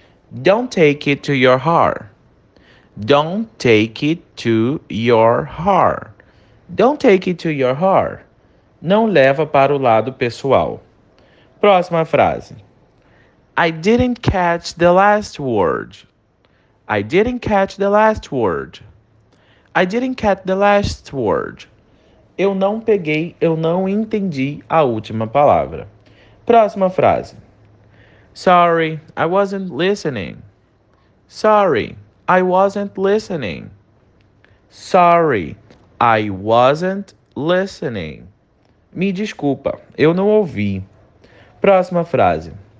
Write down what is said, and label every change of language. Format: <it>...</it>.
<en>Don't take it to your heart. Don't take it to your heart. Don't take it to your heart.</en> <pt>Não leva para o lado pessoal. Próxima frase.</pt> <en>I didn't catch the last word. I didn't catch the last word. I didn't catch the last word.</en> <pt>Eu não peguei, eu não entendi a última palavra. Próxima frase.</pt> <en>Sorry, I wasn't listening. Sorry, I wasn't listening. Sorry, I wasn't listening.</en> <pt>Me desculpa, eu não ouvi. Próxima frase.</pt>